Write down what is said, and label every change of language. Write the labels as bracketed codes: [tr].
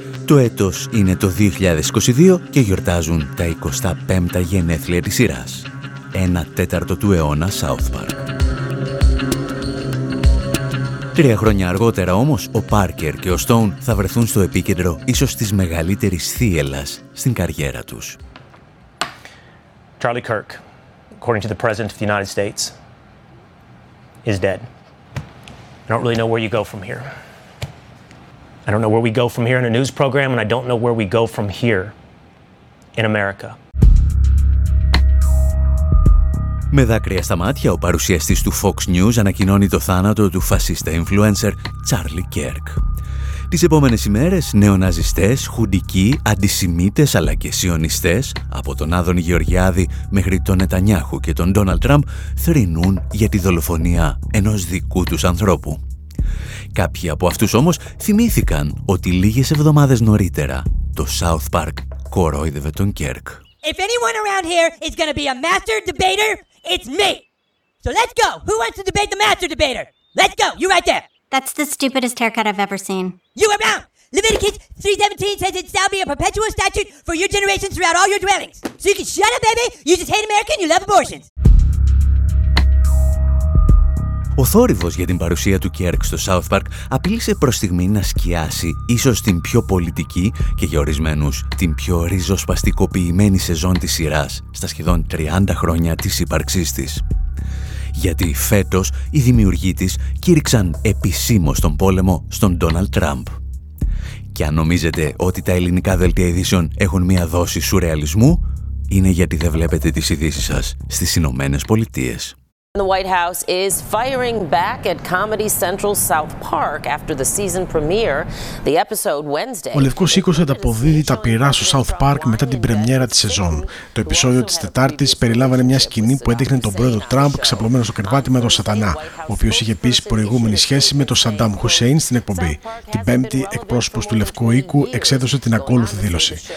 [el] Το έτος είναι το 2022 και γιορτάζουν τα 25 γενέθλια της σειράς. 1/4 του αιώνα South Park. 3 χρόνια αργότερα όμως, ο Parker και ο Stone θα βρεθούν στο επίκεντρο ίσως της μεγαλύτερης θύελλας στην καριέρα τους. [en] Charlie Kirk, according to the President of the United States, is dead. I don't really know where you go from here. I don't know where we go from here in a news program, and I don't know where we go from here in America. [el] Με δάκρυα στα μάτια, ο παρουσιαστής του Fox News ανακοινώνει το θάνατο του φασίστα influencer Charlie Kirk. Τις επόμενες ημέρες, νεοναζιστές, χουντικοί, αντισημίτες αλλά και σιωνιστές, από τον Άδωνη Γεωργιάδη μέχρι τον Νετανιάχου και τον Ντόναλτ Τραμπ, θρηνούν για τη δολοφονία ενός δικού τους ανθρώπου. Κάποιοι από αυτούς όμως θυμήθηκαν ότι λίγες εβδομάδες νωρίτερα το South Park κορόιδευε τον Kirk. [en] If anyone around here is gonna be a master debater, it's me! So let's go! Who wants to debate the master debater? Let's go! You right there! That's the stupidest haircut I've ever seen. You are wrong! Leviticus 3:17 says it shall be a perpetual statute for your generations throughout all your dwellings. So you can shut up, baby! You just hate America and you love abortions! [el] Ο θόρυβος για την παρουσία του Kirk στο South Park απείλησε προς στιγμή να σκιάσει ίσως την πιο πολιτική και για ορισμένους την πιο ριζοσπαστικοποιημένη σεζόν της σειράς στα σχεδόν 30 χρόνια της ύπαρξής της. Γιατί φέτος οι δημιουργοί της κήρυξαν επισήμως τον πόλεμο στον Ντόναλτ Τραμπ. Και αν νομίζετε ότι τα ελληνικά δελτία ειδήσεων έχουν μία δόση σουρεαλισμού, είναι γιατί δεν βλέπετε τις ειδήσεις σας στις Ηνωμένες Πολιτείες. [en] The White House is firing back at Comedy Central South Park after the season premiere, the episode Wednesday. [el] Ο Λευκός Οίκος ανταποδίδει τα πυρά στο South Park μετά την πρεμιέρα της σεζόν. Το επεισόδιο της Τετάρτης περιλάμβανε μια σκηνή που έδειχνε τον πρόεδρο Τραμπ ξαπλωμένο στο κρεβάτι με τον Σατανά, ο οποίος είχε επίσης προηγούμενη σχέση με τον Σαντάμ Χουσέιν στην εκπομπή. Την Πέμπτη, εκπρόσωπος του Λευκού Οίκου εξέδωσε την ακόλουθη δήλωση.